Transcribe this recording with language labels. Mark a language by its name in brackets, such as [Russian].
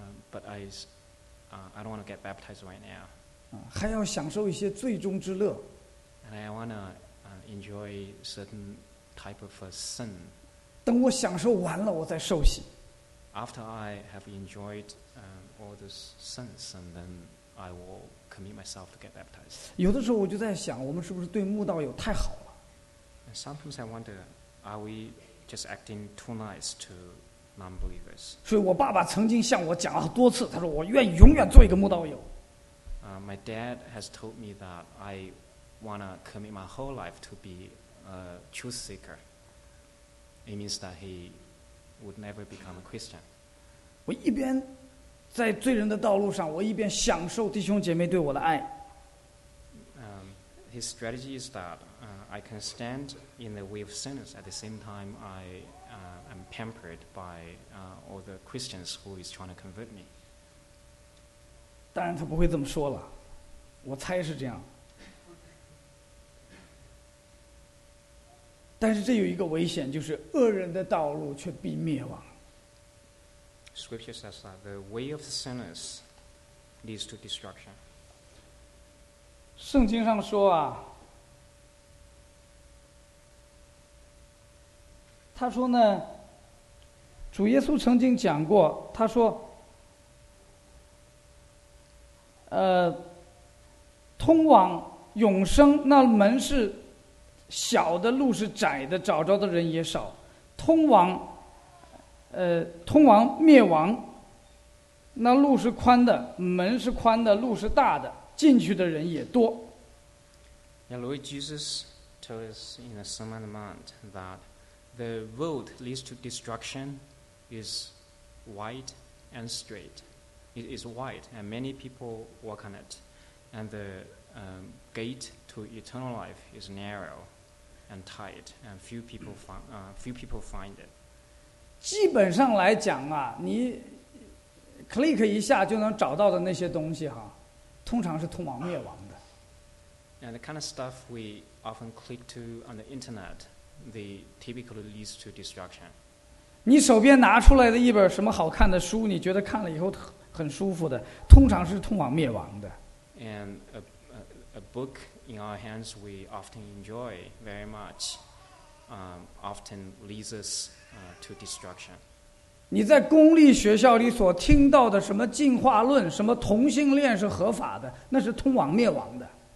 [English] But I don't want to get baptized right now. [Chinese] 还要享受一些最终之乐。 [English] And I want to enjoy certain type of a sin. [Chinese] 等我享受完了，我再受洗。 [English] After I have enjoyed all the sins, and then I will commit myself to get baptized. [Chinese] 有的时候我就在想，我们是不是对慕道友太好了 [English] ？Sometimes I wonder, are we just acting too nice to non-believers? [Chinese] 所以我爸爸曾经向我讲了多次，他说我愿永远做一个慕道友。 [English] My dad has told me that I want to commit my whole life to be truth seeker. It means that he would never become a Christian. [Chinese] 我一边在罪人的道路上，我一边享受弟兄姐妹对我的爱。 [English] His strategy is that I can stand in the way of sinners at the same time I am pampered by all the Christians who is trying to convert me. [Chinese] 当然他不会这么说了，我猜是这样。但是这有一个危险，就是恶人的道路却必灭亡。 [English] Scripture says that the way of the sinners leads to destruction. [Chinese] 圣经上说啊，他说呢，主耶稣曾经讲过，他说，通往永生那门是小的，路是窄的，找着的人也少，通往灭亡那路是宽的，门是宽的，路是大的，进去的人也多。 [English] Yeah, Lord Jesus told us in the Sermon on the Mount that the road leads to destruction is wide and straight. It is wide and many people walk on it. And the gate to eternal life is narrow and tight and few people find it. [Chinese] 基本上来讲啊，你 click 一下就能找到的那些东西哈，通常是通往灭亡的。 [English] And the kind of stuff we often click to on the internet, they typically leads to destruction. [Chinese] 你手边拿出来的一本什么好看的书，你觉得看了以后很舒服的，通常是通往灭亡的。 [English] And a book in our hands we often enjoy very much, often leads us. To destruction. [Chinese] 你在公立学校里所听到的什么进化论，什么同性恋是合法的，那是通往灭亡的。